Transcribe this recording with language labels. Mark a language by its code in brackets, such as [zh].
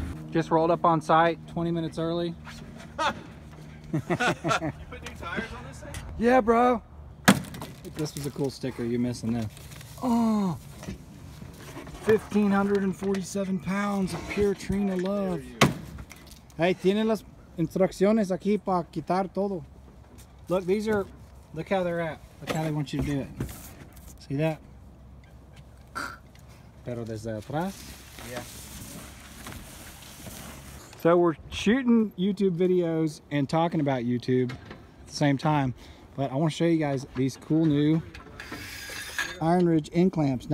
[en] Just rolled up on site, 20 minutes early. You put new tires on this thing? Yeah, bro. This was a cool sticker. You're missing this. Oh, 1,547 pounds of pure Trina love. [es] Hey, tiene las instrucciones aquí para quitar todo. [en] Look, these are, look how they're at. Look how they want you to do it. See that? [es] Pero desde atrás? [en] Yeah. So we're shooting YouTube videos and talking about YouTube at the same time, but I want to show you guys these cool new Iron Ridge end clamps.